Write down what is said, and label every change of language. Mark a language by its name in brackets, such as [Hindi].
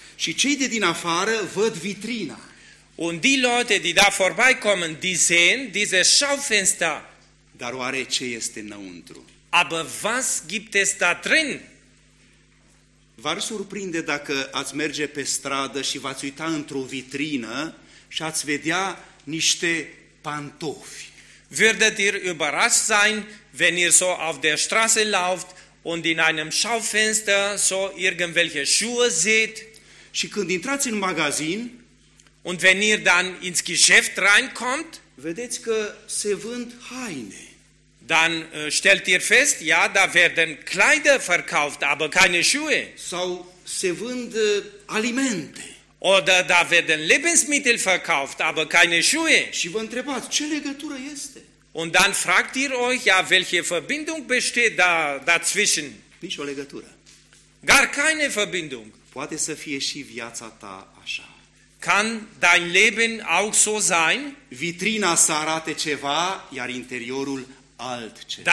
[Romanian] Și cei de din afară văd vitrina. [German] Und die Leute, die da vorbeikommen, die sehen dieses Schaufenster. [Romanian] Dar oare ce este înăuntru? [German] Aber was gibt es da drin? [Romanian] V-ar surprinde dacă ați merge pe stradă și v-ați uita într-o vitrină și ați vedea niște pantofi. [German] Würdet ihr überrascht sein, wenn ihr so auf der Straße lauft und in einem Schaufenster so irgendwelche Schuhe seht? [Romanian] Și când intrați în magazin, [German] und wenn ihr dann ins Geschäft reinkommt, [Romanian] vedeți că se vând haine. [German] Dann stellt ihr fest, ja, da werden Kleider verkauft, aber keine Schuhe. [Romanian] Sau se vând alimente. [German] Oder da werden Lebensmittel verkauft, aber keine Schuhe. [Romanian] Și vă întrebați, ce legătură este? [German] Und dann fragt ihr euch, ja, welche Verbindung besteht da dazwischen? [Romanian] Nicio legătură. [German] Gar keine Verbindung. [Romanian] Poate să fie și viața ta așa. [German] kann dein Leben auch so sein? [Romanian] Vitrina să arate ceva, iar interiorul altceva.